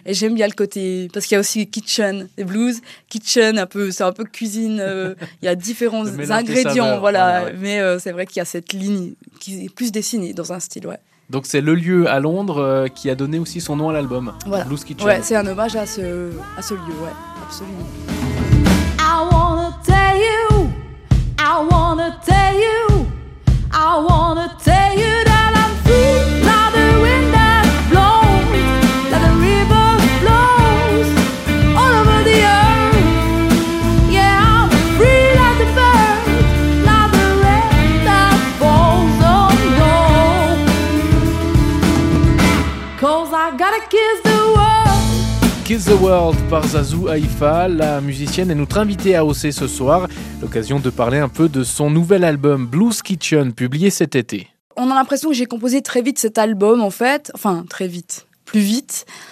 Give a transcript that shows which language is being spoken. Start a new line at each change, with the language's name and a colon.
French: Et j'aime bien le côté, parce qu'il y a aussi kitchen, des blues, kitchen, c'est un peu cuisine. Il y a différents ingrédients, saveurs, ouais. Mais c'est vrai qu'il y a cette ligne qui est plus dessinée dans un style, ouais. Donc c'est le lieu à Londres qui a donné aussi son nom à l'album, voilà. Blues Kitchen. Ouais, c'est un hommage à ce lieu, ouais. Absolument.
English: I wanna tell you, I wanna tell you, I wanna tell you that I'm free. Now the wind that blows, that the river flows all over the earth. Yeah, I'm free like the bird. Now the rain that falls on gold. Cause I gotta kiss the
French: Kiss the World par Zazou Haïfa, la musicienne est notre invitée à AOC ce soir, l'occasion de parler un peu de son nouvel album Blues Kitchen, publié cet été. On a l'impression que j'ai composé très vite cet album, en fait, enfin très vite, plus vite.